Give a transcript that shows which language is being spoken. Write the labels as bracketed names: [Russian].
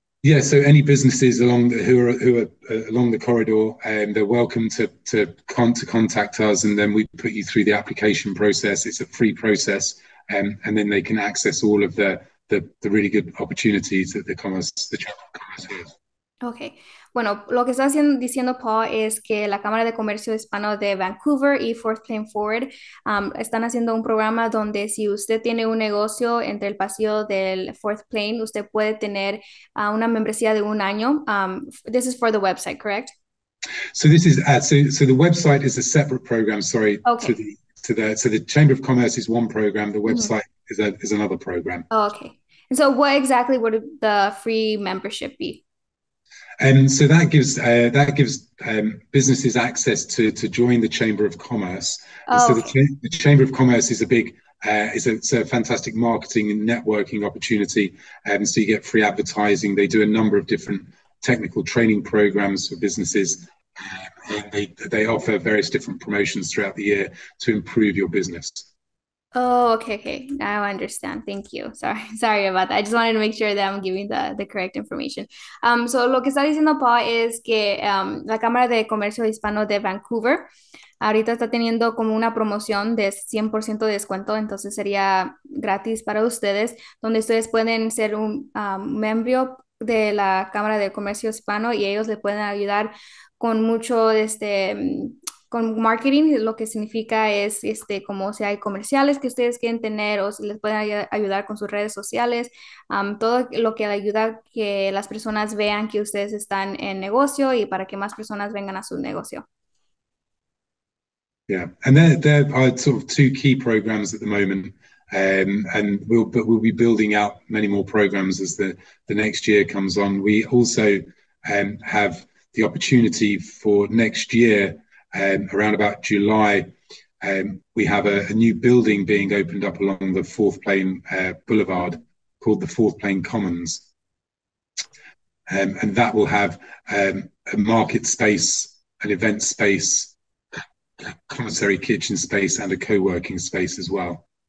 [English] Yeah, so any businesses along who are along the corridor, they're welcome to contact us, and then we put you through the application process. It's a free process. And then they can access all of the really good opportunities that the Chamber of Commerce has. [Spanish] Bueno, lo que está haciendo, diciendo Paul es que la Cámara de Comercio Hispano de Vancouver y Fourth Plane Forward están haciendo un programa donde si usted tiene un negocio entre el pasillo del Fourth Plane, usted puede tener una membresía de un año. [English] This is for the website, correct? So this is so the website is a separate program, sorry, to the Chamber of Commerce is one program. The website is another program. And so what exactly would the free membership be? So that gives businesses access to join the Chamber of Commerce. And so the Chamber of Commerce is a big it's a fantastic marketing and networking opportunity. So you get free advertising. They do a number of different technical training programs for businesses. And they offer various different promotions throughout the year to improve your business. Now I understand. Thank you. Sorry about that. I just wanted to make sure that I'm giving the correct information. [Spanish] So lo que está diciendo Paul es que la Cámara de Comercio Hispano de Vancouver ahorita está teniendo como una promoción de 100% de descuento, entonces sería gratis para ustedes, donde ustedes pueden ser un miembro de la Cámara de Comercio Hispano y ellos le pueden ayudar con mucho con marketing, lo que significa es como si hay comerciales que ustedes quieren tener o si les pueden ayudar con sus redes sociales, todo lo que ayuda que las personas vean que ustedes están en negocio y para que más personas vengan a su negocio. [English] Yeah, and there are sort of two key programs at the moment, and we'll be building out many more programs as the next year comes on. We also have the opportunity for next year, around about July, we have a new building being opened up along the Fourth Plain Boulevard called the Fourth Plain Commons, and that will have a market space, an event space, commissary kitchen space and a co-working space as well.